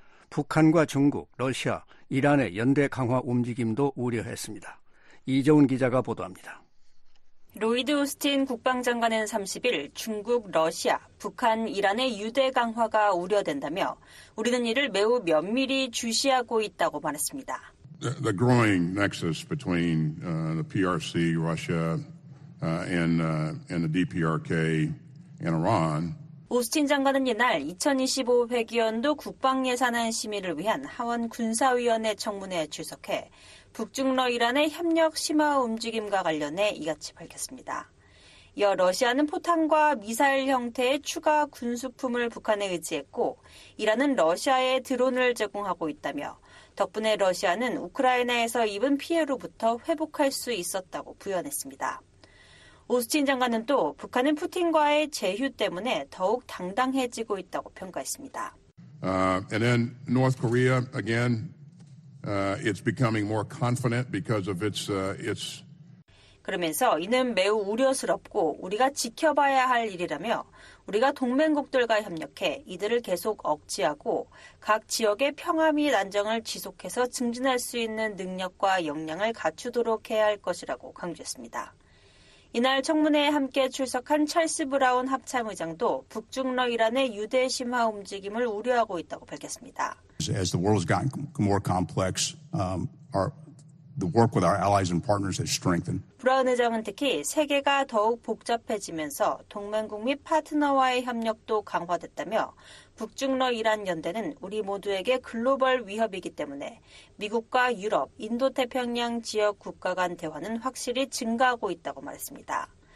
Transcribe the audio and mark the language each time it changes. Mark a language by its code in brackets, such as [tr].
[ko] 북한과 중국, 러시아, 이란의 연대 강화 움직임도 우려했습니다. 이정훈 기자가 보도합니다. 로이드 오스틴 국방장관은 30일 중국, 러시아, 북한, 이란의 유대 강화가 우려된다며 우리는 이를 매우 면밀히 주시하고 있다고 말했습니다. [en] The growing nexus between the PRC, Russia, and the DPRK in Iran. [ko] 오스틴 장관은 이날 2025 회기연도 국방 예산안 심의를 위한 하원 군사위원회 청문회에 출석해 북중러 이란의 협력 심화 움직임과 관련해 이같이 밝혔습니다. 이어 러시아는 포탄과 미사일 형태의 추가 군수품을 북한에 의지했고 이란은 러시아에 드론을 제공하고 있다며 덕분에 러시아는 우크라이나에서 입은 피해로부터 회복할 수 있었다고 부연했습니다. 오스틴 장관은 또 북한은 푸틴과의 제휴 때문에 더욱 당당해지고 있다고 평가했습니다. [en] And then North Korea again, it's becoming more confident because of its its. [ko] 그러면서 이는 매우 우려스럽고 우리가 지켜봐야 할 일이라며 우리가 동맹국들과 협력해 이들을 계속 억제하고 각 지역의 평화 및 안정을 지속해서 증진할 수 있는 능력과 역량을 갖추도록 해야 할 것이라고 강조했습니다. 이날 청문회에 함께 출석한 찰스 브라운 합참의장도 북중러 이란의 유대 심화 움직임을 우려하고 있다고 밝혔습니다. [en] As the world's gotten more complex, the work with our allies and partners has strengthened. [ko] 브라운 의장은 특히 세계가 더욱 복잡해지면서 동맹국 및 파트너와의 협력도 강화됐다며 북중러 이란 연대는 우리 모두에게 글로벌 위협이기 때문에 미국과 유럽, 인도태평양 지역 국가 간 대화는 확실히 증가하고 있다고 말했습니다.